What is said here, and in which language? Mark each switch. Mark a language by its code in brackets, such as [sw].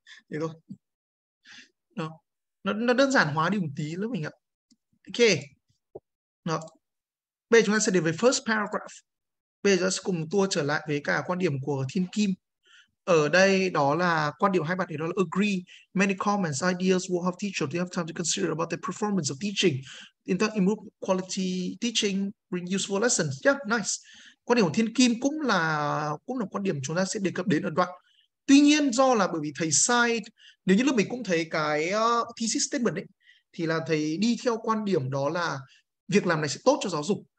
[vi] Thế thôi. Đó. Nó đơn giản hóa đi một tí lắm mình ạ. Ok. Đó. Bây giờ chúng ta sẽ đến với first paragraph. Bây giờ sẽ cùng tour trở lại với cả quan điểm của Thiên Kim. Ở đây đó là quan điểm hai bạn thì đó là agree. [en] Many comments, ideas will have teachers. They have time to consider about the performance of teaching. In fact, improve quality teaching, bring useful lessons. Yeah, nice. [vi] Quan điểm của Thiên Kim cũng là quan điểm chúng ta sẽ đề cập đến ở đoạn. Tuy nhiên do là bởi vì thầy sai, nếu như lúc mình cũng thấy cái thesis statement ấy, thì là thầy đi theo quan điểm đó là việc làm này sẽ tốt cho giáo dục.